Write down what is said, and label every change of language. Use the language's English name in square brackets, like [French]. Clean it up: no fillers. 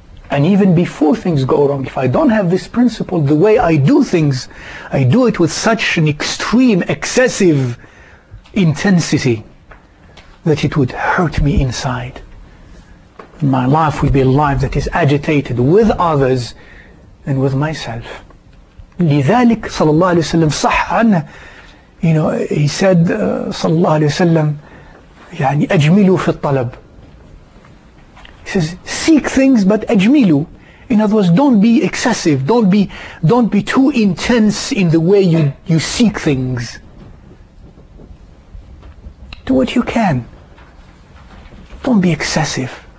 [English] And even before things go wrong, if I don't have this principle, the way I do things, I do it with such an extreme, excessive intensity that it would hurt me inside. In my life will be a life that is agitated with others and with myself. [Arabic] لذلك صلى الله عليه وسلم صح عنه, [English] you know, he said [Arabic] صلى الله عليه وسلم يعني أجملوا في الطلب. [English] He says, seek things, but ajmilu. In other words, don't be excessive. Don't be too intense in the way you seek things. Do what you can. Don't be excessive.